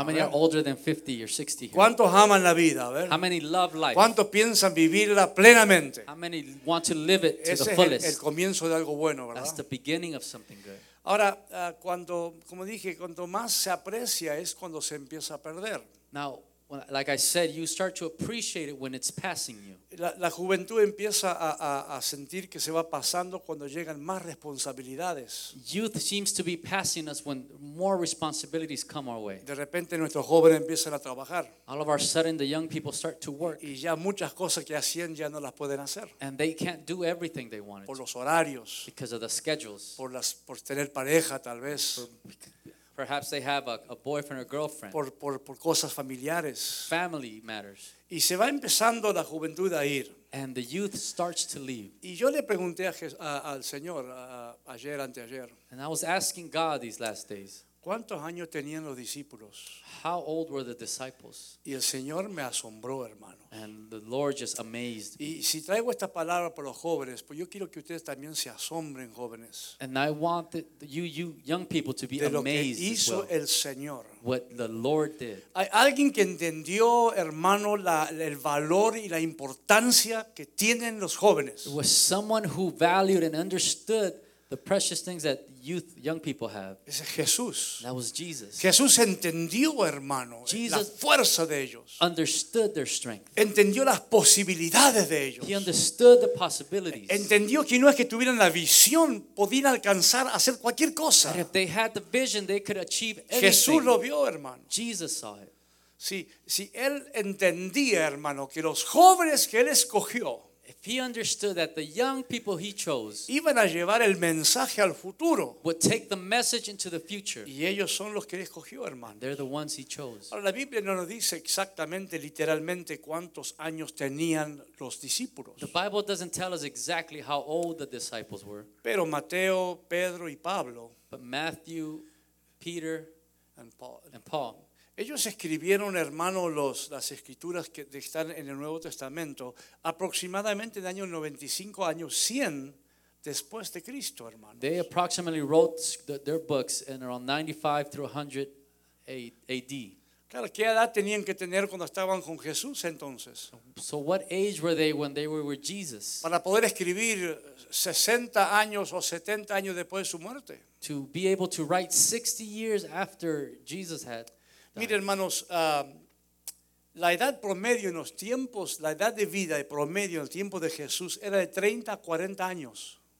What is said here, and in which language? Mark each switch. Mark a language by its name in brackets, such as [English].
[English] How many are older than 50 or 60 here? [Spanish] ¿Cuántos aman la vida? A ver. [English] How many love life? [Spanish] ¿Cuántos piensan vivirla plenamente? [English] How many want to live it to [Spanish] ese [English] the fullest? [Spanish] Es el comienzo de algo bueno, ¿verdad? [English] That's the beginning of something good. [Spanish] Ahora, cuando, como dije, cuanto más se aprecia es cuando se empieza a perder. [English] Now, like I said, you start to appreciate it when it's passing you. [Spanish] La juventud empieza a sentir que se va pasando cuando llegan más responsabilidades. [English] Youth seems to be passing us when more responsibilities come our way. [Spanish] De repente nuestros jóvenes empiezan a trabajar. [English] All of a sudden the young people start to work. [Spanish] Y ya muchas cosas que hacían ya no las pueden hacer. [English] And they can't do everything they wanted. [Spanish] Por los horarios. [English] Because of the schedules. [Spanish] Por tener pareja tal vez. [English] Perhaps they have a boyfriend or girlfriend. [Spanish] Por cosas familiares. [English] Family matters. [Spanish] Y se va empezando la juventud a ir. [English] And the youth starts to leave. [Spanish] Y yo le pregunté al Señor ayer, anteayer. [English] And I was asking God these last days. [Spanish] ¿Cuántos años tenían los discípulos? [English] How old were the disciples? [Spanish] Y el Señor me asombró, hermano. [English] And the Lord just amazed me. [Spanish] Y si traigo esta palabra para los jóvenes, pues yo quiero que ustedes también se asombren, jóvenes. [English] And I want you young people to be amazed as well. [Spanish] De lo que hizo el Señor. [English] What the Lord did. [Spanish] Hay alguien que entendió, hermano, el valor y la importancia que tienen los jóvenes. [English] It was someone who valued and understood the precious things that youth, young people have. [Spanish] Ese Jesús. [English] That was Jesus. [Spanish] Jesús entendió, hermano, [English] Jesus [Spanish] la fuerza de ellos. [English] Understood their strength. [Spanish] Entendió las posibilidades de ellos. [English] He understood the possibilities. [Spanish] Entendió que no es que tuvieran la visión, podían alcanzar hacer cualquier cosa. [English] That if they had the vision, they could achieve anything. [Spanish] Jesús lo vio, hermano. [English] Jesus saw it. [Spanish] Si él entendía, hermano, que los jóvenes que él escogió. [English] He understood that the young people he chose [Spanish] iban a llevar el mensaje al futuro. [English] Would take the message into the future. [Spanish] Y ellos son los que él escogió, hermano. [English] They're the ones he chose. [Spanish] Ahora, la Biblia no nos dice exactamente, literalmente, cuántos años tenían los discípulos. [English] The Bible doesn't tell us exactly how old the disciples were. [Spanish] Pero Mateo, Pedro y Pablo. [English] But Matthew, Peter, and Paul. [Spanish] Ellos escribieron, hermano, las escrituras que están en el Nuevo Testamento aproximadamente en el año 95, año 100 después de Cristo, hermano. [English] They approximately wrote their books in around 95 through 100 AD. [Spanish] Claro, ¿qué edad tenían que tener cuando estaban con Jesús entonces? [English] So what age were they when they were with Jesus? [Spanish] Para poder escribir 60 años o 70 años después de su muerte. [English] To be able to write 60 years after Jesus had. [Spanish] Mire, hermanos, la edad promedio en los tiempos, la edad de vida de promedio en el tiempo de Jesús era de 30 a 40 años.